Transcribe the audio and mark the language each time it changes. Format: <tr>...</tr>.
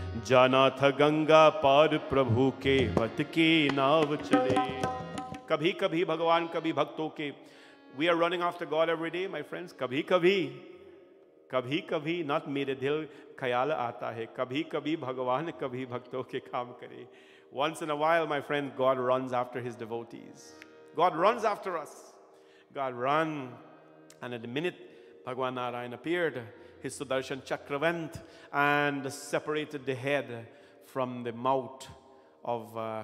<hi>जाना था गंगा पार प्रभु के वत के नाव चले. कभी कभी भगवान कभी भक्तों के.</hi> <en>We are running after God every day, my friends.</en> <hi>कभी कभी, कभी कभी, not मेरे दिल ख्याल आता है. कभी कभी भगवान कभी भक्तों के काम करे.</hi> <en>Once in a while, my friend, God runs after his devotees. God runs after us. God run. And at the minute Bhagwan Narayan appeared, his Sudarshan Chakra went and separated the head from the mouth of</en>